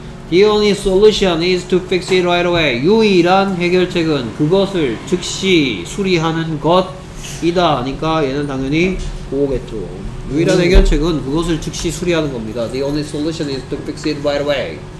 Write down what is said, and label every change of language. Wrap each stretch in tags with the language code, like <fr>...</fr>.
<en>The only solution is to fix it right away.</en> <ko>유일한 해결책은 그것을 즉시 수리하는 것이다. 그러니까 얘는 당연히 보호겠죠. 유일한 해결책은 그것을 즉시 수리하는 겁니다.</ko> <en>The only solution is to fix it right away.</en>